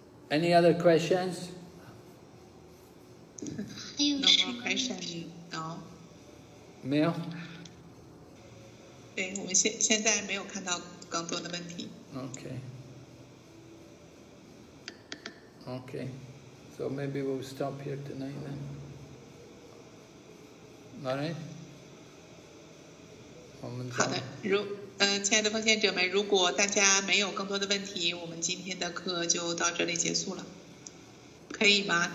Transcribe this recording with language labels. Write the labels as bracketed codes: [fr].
[en] Any other questions? No more questions. No. [zh] 没有。对，我们现在没有看到更多的问题。 [en] Okay. Okay, so maybe we'll stop here tonight then. All right? [zh] 我们好的，亲爱的奉献者们，如果大家没有更多的问题，我们今天的课就到这里结束了，可以吗？